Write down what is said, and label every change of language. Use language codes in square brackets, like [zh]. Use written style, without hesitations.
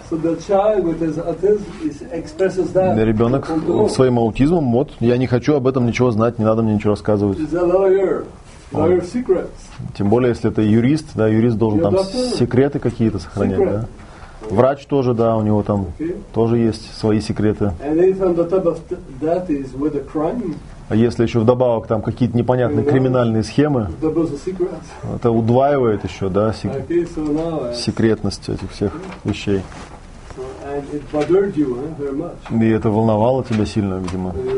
[en] So the child with his autism expresses that. [ru] Ребенок своим аутизмом, вот, я не хочу об этом ничего знать, не надо мне ничего рассказывать. [en] He's a lawyer. Lawyer secrets. [ru] Тем более, если это юрист, да, юрист должен там секреты какие-то сохранять, [en] secret. [ru] Да. Врач тоже, да, у него там тоже есть свои секреты. [en] And if on the top of that is with a crime. [ru] А если еще вдобавок там какие-то непонятные криминальные схемы, это удваивает еще, да, секретность этих всех вещей. И это волновало тебя сильно, видимо.